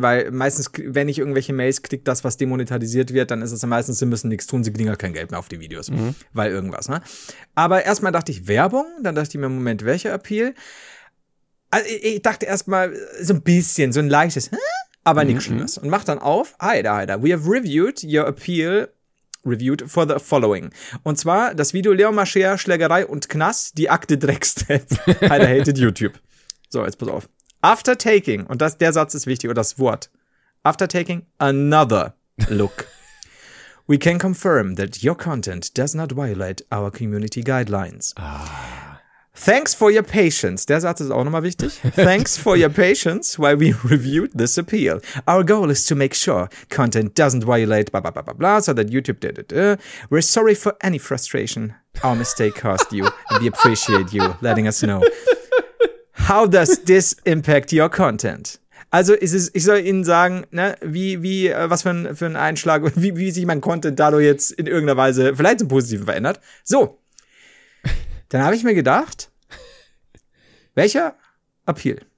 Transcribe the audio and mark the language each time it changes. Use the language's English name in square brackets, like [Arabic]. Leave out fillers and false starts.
[German] Weil meistens, wenn ich irgendwelche Mails kriege, das, was demonetarisiert wird, dann ist es ja meistens, sie müssen nichts tun, sie kriegen ja kein Geld mehr auf die Videos, weil irgendwas, ne? Aber erstmal dachte ich, Werbung? Dann dachte ich mir, Moment, welcher Appeal? Also ich dachte erstmal, so ein bisschen, so ein leichtes, hä? Aber nichts Schlimmes. Und mach dann auf, Alter, [English] we have reviewed your appeal reviewed for the following. [German] Und zwar das Video Leon Mascher, Schlägerei und Knast, die Akte Dreckstep. Alter, [English] hated YouTube. [German] So, jetzt pass auf. [English] After taking, [German] und das, der Satz ist wichtig, oder das Wort. [English] After taking another look. We can confirm that your content does not violate our community guidelines. Thanks for your patience. [German] Der Satz ist auch nochmal wichtig. [English] Thanks for your patience while we reviewed this appeal. Our goal is to make sure content doesn't violate blah blah blah blah blah, so that YouTube did it. We're sorry for any frustration our mistake caused you, and we appreciate you letting us know. How does this impact your content? [German] Also ist es, ich soll Ihnen sagen, ne, wie was für ein Einschlag, wie sich mein Content dadurch jetzt in irgendeiner Weise vielleicht zum Positiven verändert. So. Dann habe ich mir gedacht, welcher Appeal?